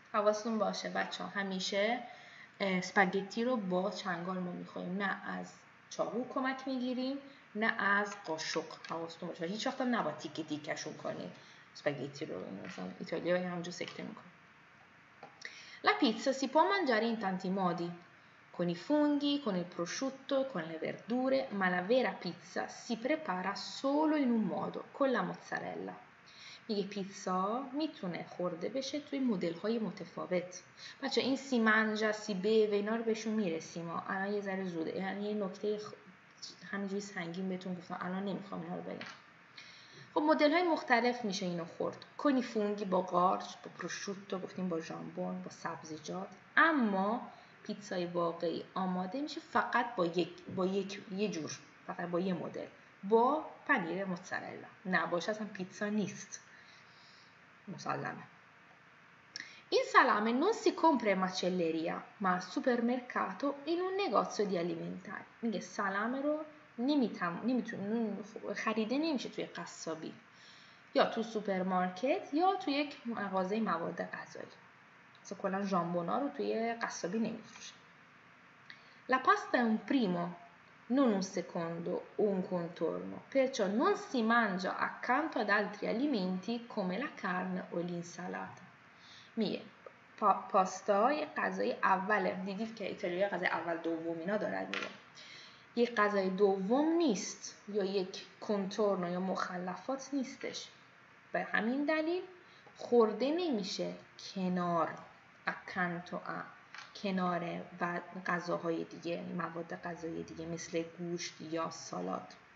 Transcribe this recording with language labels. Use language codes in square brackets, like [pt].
[fa] حواستون باشه بچه همیشه سپاگتی رو با چنگال ما میخواییم، نه از چاقو کمک میگیریم نه از قاشق. حواستون باشه هیچ وقت هم نبا تیکی تیکشون کنید سپاگتی رو، مثلا ایتالیا یه همجور سکته میکنه. [it] La pizza si può mangiare in tanti modi, con i funghi, con il prosciutto, con le verdure, ma la vera pizza si prepara solo in un modo, con la mozzarella. [fa] میگه پیتزا میتونه خورده بشه توی مدل های متفاوت. بچه این سی منجا سی به و اینا رو بهشون میرسیم، الان یه ذره زوده، یعنی یه نکته همینجوری سنگین بهتون گفتم، الان نمیخوام اینا رو بگم. خب مدل های مختلف میشه اینو خورد، کنی فونگی با قارچ، با پروشوتو گفتیم، با ژامبون، با سبزیجات، اما پیتزای واقعی آماده میشه فقط با یک یه جور، فقط با یه مدل، با پنیر موزارلا. نباشه اصلا پیتزا نیست مسلمه. [it] این سلامه non si compra in macelleria ma al supermercato in un negozio di alimentari. [fa] میگه سلامه رو نمیتونه خریده نمیشه توی قصابی یا تو سوپرمارکت یا توی یک مغازه مواد غذایی، مثلا کلا ژامبونا رو توی قصابی نمیفروشه. [it] La pasta è un primo non un secondo o un contorno, perciò non si mangia accanto ad altri alimenti come la carne o l'insalata. [fa] میگه پاستا یه غذای اوله، دیدید که ایتالیا غذای اول دوم اینا دارد، میگه یه غذای دوم نیست یا یک کنتورنو یا مخلفات نیستش، به همین دلیل خورده نمیشه کنار، اکانتو ا کنار و غذاهای دیگه، مواد غذایی دیگه مثل گوشت یا سالاد.